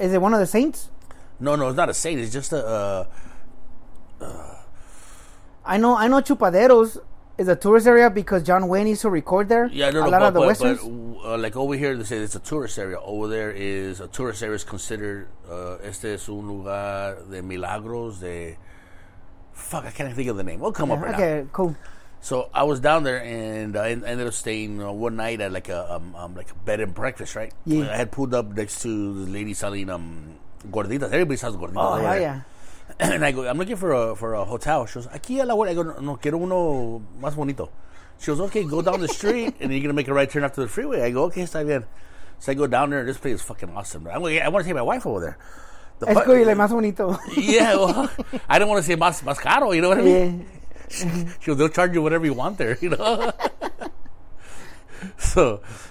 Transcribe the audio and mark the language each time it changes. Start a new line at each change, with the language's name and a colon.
English: Is it one of the saints? No, it's not a saint. It's just a... I know Chupaderos. Is a tourist area because John Wayne used to record there? Yeah, a lot of the westerns. Like over here, they say it's a tourist area. Over there is a tourist area is considered.
Spanish: Este es un lugar de milagros.
English: Fuck, I can't think of the name. We'll come up right now. Okay, cool. So I was down there and I ended up staying one night at like a bed and breakfast, right? Yeah. I had pulled up next to the lady selling gorditas. Everybody sells gorditas. Oh yeah. And I go, I'm looking for a hotel. She goes,
Spanish: aquí a la vuelta.
English: I go,
Spanish: no, quiero uno más bonito.
English: She goes, okay, go down the street, and you're going to make a right turn after the freeway. I go, okay,
Spanish: está bien.
English: So I go down there, and this place is fucking awesome. I'm like, I want to take my wife over there.
Spanish: Es que le más bonito.
English: Yeah, well, I don't want to say
Spanish: más caro,
English: you know what I mean? Yeah. She goes, they'll charge you whatever you want there, you know? So...